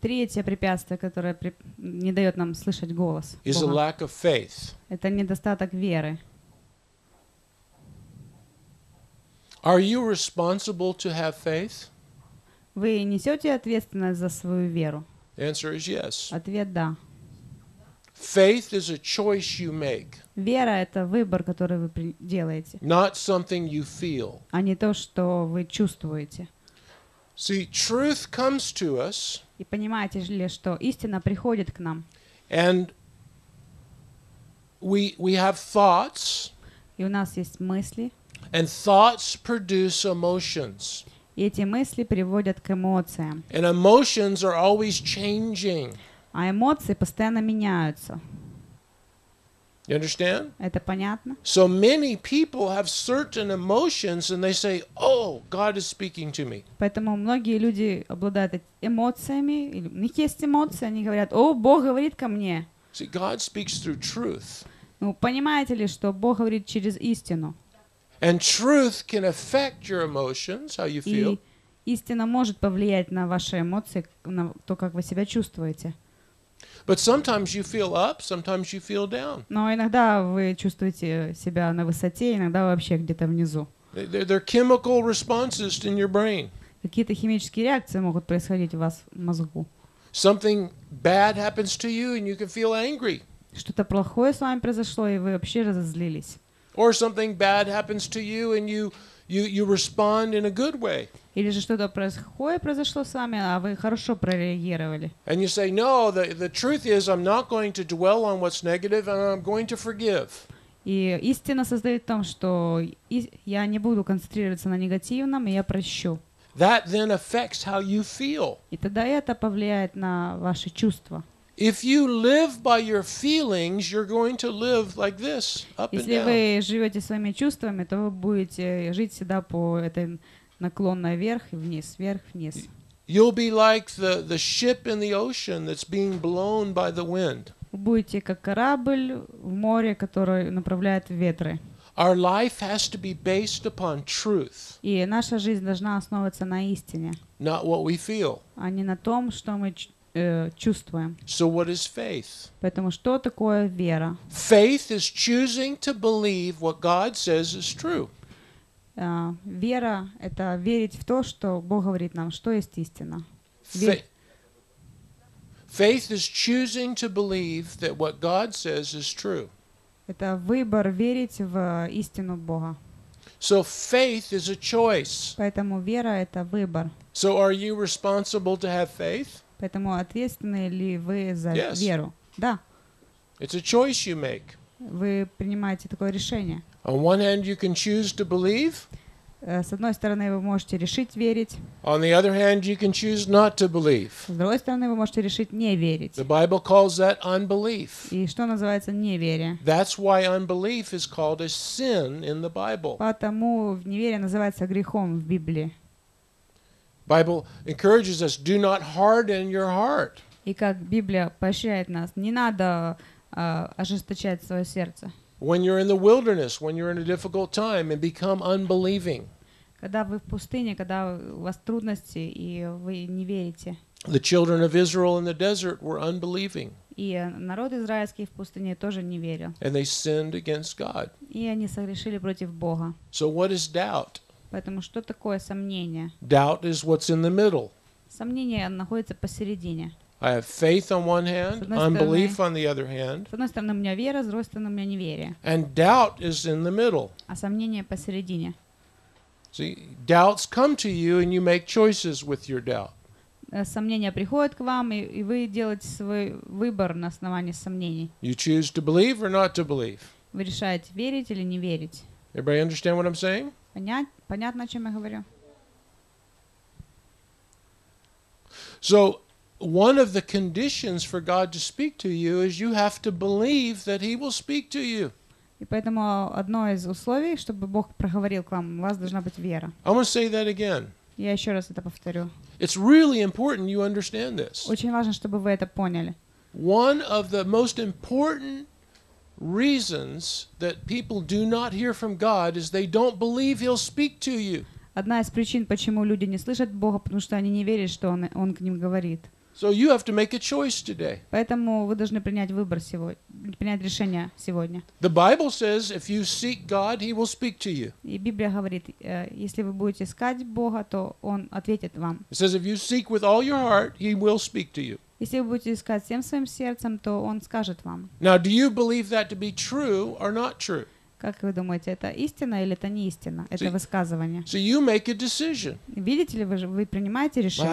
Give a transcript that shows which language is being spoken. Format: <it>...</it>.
<ru>Третье препятствие, которое не дает нам слышать голос Бога.</ru> <en>Is a lack of faith.</en> <ru>Это недостаток веры.</ru> <en>Are you responsible to have faith?</en> <ru>Вы несете ответственность за свою веру?</ru> <en>Answer is yes.</en> <ru>Ответ да.</ru> <en>Faith is a choice you make.</en> <ru>Вера — это выбор, который вы делаете.</ru> <en>Not something you feel.</en> <ru>А не то, что вы чувствуете.</ru> <en>See, truth comes to us.</en> <ru>И понимаете ли, что истина приходит к нам?</ru> <en>And we have thoughts.</en> <ru>И у нас есть мысли.</ru> <en>And thoughts produce emotions.</en> <ru>И эти мысли приводят к эмоциям.</ru> <en>And emotions are always changing.</en> <ru>А эмоции постоянно меняются.</ru> <en>You understand?</en> <ru>Это понятно?</ru> <en>So many people have certain emotions and they say, "Oh, God is speaking to me."</en> <ru>Поэтому многие люди обладают эмоциями, у них есть эмоции, они говорят: "О, Бог говорит ко мне."</ru> <en>See, God speaks through truth.</en> <ru>Ну, понимаете ли, что Бог говорит через истину?</ru> <en>And truth can affect your emotions, how you feel.</en> <ru>Истина может повлиять на ваши эмоции, на то, как вы себя чувствуете.</ru> <en>But sometimes you feel up, sometimes you feel down.</en> <ru>Но иногда вы чувствуете себя на высоте, иногда вообще где-то внизу.</ru> <en>There are chemical responses in your brain.</en> <ru>Какие-то химические реакции могут происходить у вас в мозгу.</ru> <en>Something bad happens to you and you can feel angry.</en> <ru>Что-то плохое с вами произошло, и вы вообще разозлились.</ru> <en>Or something bad happens to you and you respond in a good way.</en> <ru>Или же что-то произошло с вами, а вы хорошо прореагировали.</ru> <en>And you say, no, the truth is I'm not going to dwell on what's negative and I'm going to forgive.</en> <ru>И истина состоит в том, что я не буду концентрироваться на негативном, и я прощу.</ru> <en>That then affects how you feel.</en> <ru>И тогда это повлияет на ваши чувства.</ru> <en>If you live by your feelings, you're going to live like this, up and down.</en> <ru>Если вы живете своими чувствами, то вы будете жить всегда по этой наклонной вверх вниз.</ru> <en>You'll be like the ship in the ocean that's being blown by the wind.</en> <ru>Будете как корабль в море, который направляет ветры.</ru> <en>Our life has to be based upon truth.</en> <ru>И наша жизнь должна основываться на истине.</ru> <en>Not what we feel.</en> <ru>А не на том, что мы чувствуем.</ru> <en>So what is faith?</en> <ru>Поэтому что такое вера?</ru> <en>Faith is choosing to believe what God says is true.</en> <ru>Вера — это верить в то, что Бог говорит нам, что есть истина.</ru> <en>Faith is choosing to believe that what God says is true.</en> <ru>Это выбор верить в истину Бога.</ru> <en>So faith is a choice.</en> <ru>Поэтому вера — это выбор.</ru> <en>So are you responsible to have faith?</en> <ru>Поэтому ответственны ли вы за веру? Да.</ru> <en>It's a choice you make.</en> <ru>Вы принимаете такое решение.</ru> <en>On one hand, you can choose to believe.</en> <ru>С одной стороны, вы можете решить верить.</ru> <en>On the other hand, you can choose not to believe.</en> <ru>С другой стороны, вы можете решить не верить.</ru> <en>The Bible calls that unbelief.</en> <ru>И что называется неверие?</ru> <en>That's why unbelief is called a sin in the Bible.</en> <ru>Потому неверие называется грехом в Библии.</ru> <en>Bible encourages us, do not harden your heart.</en> <ru>И как Библия поощряет нас, не надо ожесточать свое сердце.</ru> <en>When you're in the wilderness, when you're in a difficult time and become unbelieving.</en> <ru>Когда вы в пустыне, когда у вас трудности и вы не верите.</ru> <en>The children of Israel in the desert were unbelieving.</en> <ru>И народ израильский в пустыне тоже не верил.</ru> <en>And they sinned against God.</en> <ru>И они согрешили против Бога.</ru> <en>So what is doubt?</en> <ru>Поэтому что такое сомнение?</ru> <en>Doubt is what's in the middle.</en> <ru>Сомнение находится посередине.</ru> <en>I have faith on one hand, unbelief on the other hand.</en> <ru>С одной стороны у меня вера, с другой стороны у меня неверие.</ru> <en>And doubt is in the middle.</en> <ru>А сомнение посередине.</ru> <en>See, doubts come to you and you make choices with your doubt.</en> <ru>Сомнения приходят к вам, и вы делаете свой выбор на основании сомнений.</ru> <en>You choose to believe or not to believe.</en> <ru>Вы решаете верить или не верить.</ru> <en>Everybody understand what I'm saying?</en> <ru>Понятно, о чем я говорю.</ru> <en>So, one of the conditions for God to speak to you is you have to believe that He will speak to you.</en> <ru>И поэтому одно из условий, чтобы Бог проговорил к вам, у вас должна быть вера.</ru> <en>I want to say that again.</en> <ru>Я еще раз это повторю.</ru> <en>It's really important you understand this.</en> <ru>Очень важно, чтобы вы это поняли.</ru> <en>One of the most important reasons that people do not hear from God is they don't believe He'll speak to you.</en> <ru>Одна из причин, почему люди не слышат Бога, потому что они не верят, что он к ним говорит.</ru> <en>So you have to make a choice today.</en> <ru>Поэтому вы должны принять выбор сегодня, принять решение сегодня.</ru> <en>The Bible says if you seek God, He will speak to you.</en> <ru>И Библия говорит, если вы будете искать Бога, то он ответит вам.</ru> <en>It says if you seek with all your heart, He will speak to you.</en> <ru>Если вы будете искать всем своим сердцем, то он скажет вам.</ru> <en>Now, do you believe that to be true or not true?</en> <ru>Как вы думаете, это истина или это не истина, это</ru> <en>so,</en> <ru>высказывание?</ru> <en>So you make a decision.</en> <ru>Видите ли, вы принимаете решение.</ru>